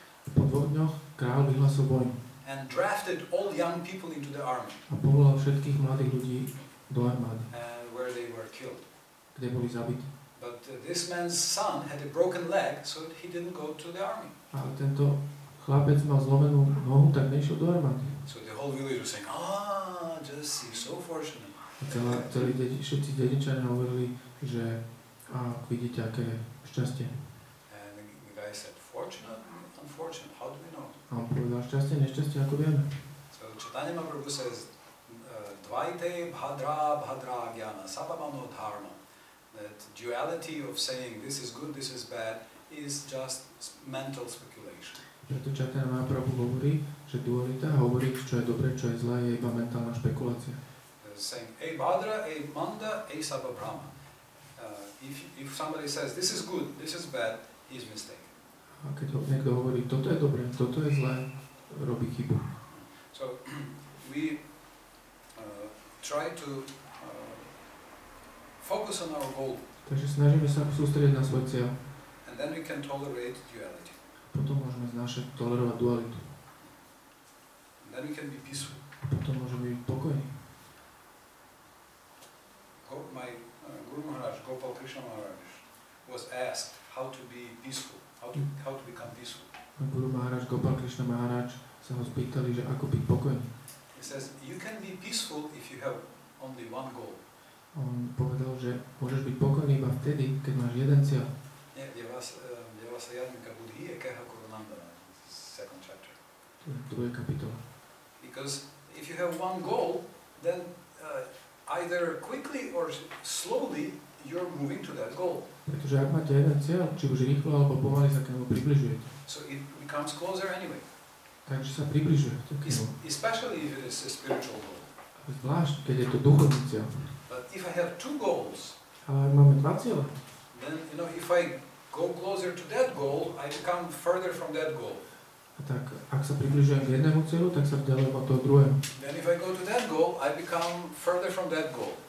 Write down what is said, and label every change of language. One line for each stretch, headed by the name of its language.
Slovak: Po 2 dňoch kráľ vyhlasil vojnu.
English: And drafted all young people into the army.
Slovak: A povolal všetkých mladých ľudí do armády.
English: Where they were killed.
Slovak: Kde boli zabití.
English: But this man's son had a broken leg, so he didn't go to the army.
Slovak: Ale tento chlapec mal zlomenú nohu, tak nešiel do armády.
English: So the whole village was saying, just see, so fortunate.
Slovak: Všetci dedičania hovorili, že vidíte, aké šťastie.
English: And the guy said, fortunate, unfortunate, how do we know?
Slovak: A on povedal, šťastie, nešťastie, ako vieme?
English: So Chaitanya Mahaprabhu says,
Sanskrit: dvajte bhadra bhadra jnana sabhavano dharma.
English: That duality of saying this is good, this is bad, is just mental speculation.
Slovak: Preto Čatána má Prabhu hovorí, že dualita hovorí, čo je dobre, čo je zlé, je iba mentálna špekulácia.
Sanskrit: Saying, ei bhadra, ei manda, ei sabha brahma.
English: If somebody says, this is good, this is bad, he's mistaken.
Slovak: A keď niekto hovorí, toto je dobre, toto je zlé, robí chybu.
English: So, we try to focus on our goal.
Slovak: Takže snažíme sa sústrediť na svoj cieľ.
English: And then we can tolerate duality.
Slovak: Potom môžeme znášať, tolerovať dualitu.
English: And then we can be peaceful.
Slovak: Potom môžeme byť pokojní.
English: My Guru Maharaj, Gopal Krishna Maharaj, was asked how to be peaceful, how to become peaceful.
Slovak: Guru Maharaj, Gopal Krishna Maharaj sa ho spýtali, že ako byť pokojný.
English: He says, you can be peaceful if you have only one goal.
Slovak: On povedal, že môžeš byť pokojný iba vtedy, keď máš jeden cieľ.
Sanskrit: Nie, devasa jadmika budhi ekeha kurunandana,
English: second chapter.
Slovak: To je druhé kapitola.
English: Because if you have one goal, then either quickly or slowly you're moving to that goal.
Slovak: Pretože ak máte jeden cieľ, či už rýchlo alebo pomaly sa k nemu približujete.
English: So it becomes closer anyway.
Slovak: Takže sa približuje k nemu.
English: Especially if it is a spiritual goal.
Slovak: Zvlášť, keď je to duchovný cieľ.
English: If I have two goals,
Slovak: ale ak máme dva cieľe,
English: then you know if I go closer to that goal, I become further from that goal.
Slovak: A tak ak sa približujem k jednému cieľu, tak sa vzdialujem od toho druhého.
English: Then if I go to that goal, I become further from that goal.